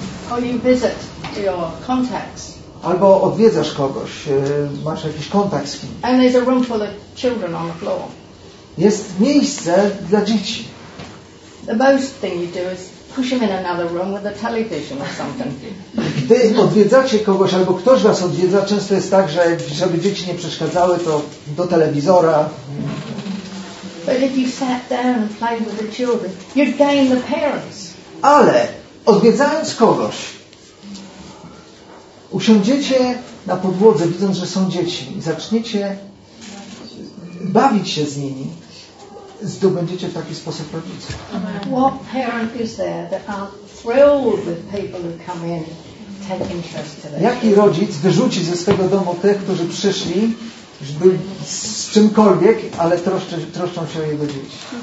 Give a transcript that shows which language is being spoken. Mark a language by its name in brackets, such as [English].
[English] Or you visit your contacts. [Polish] Albo odwiedzasz kogoś, masz jakiś kontakt z kim. [English] And there's a room for the children on the floor. [Polish] Jest miejsce dla dzieci. [English] The most thing you do is push him in another room with a television or something. [Polish] Gdy odwiedzacie kogoś, albo ktoś was odwiedza, często jest tak, że żeby dzieci nie przeszkadzały, to do telewizora. [English] But if you sat down and played with the children, you'd gain the parents. [Polish] Ale odwiedzając kogoś, usiądziecie na podłodze, widząc, że są dzieci, i zaczniecie bawić się z nimi, zdobędziecie w taki sposób rodziców. [English] What parent is there that are thrilled with people who come in, take interest to them? [Polish] Jaki rodzic wyrzuci ze swego domu tych, którzy przyszli, żeby z czymkolwiek, ale troszczą się o jego dzieci?